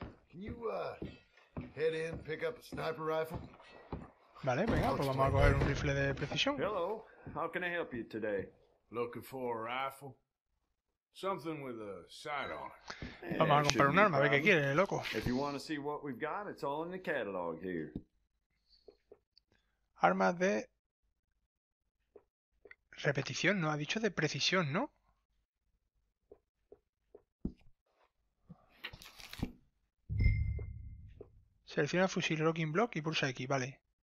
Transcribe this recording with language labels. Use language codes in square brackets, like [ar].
[en] Can you head in, pick up a sniper rifle? [es] Vale, venga, pues vamos a coger un rifle de precisión. [en] Hello, how can I help you today? Looking for a rifle. Something with a sight on it. [es] Vamos a comprar un arma, a ver qué quiere, loco. [en] If you want to see what we've got, it's all in the catalog here. [es] Arma de repetición, no ha dicho de precisión, ¿no? Selecciona fusil locking block y pulsa X, vale.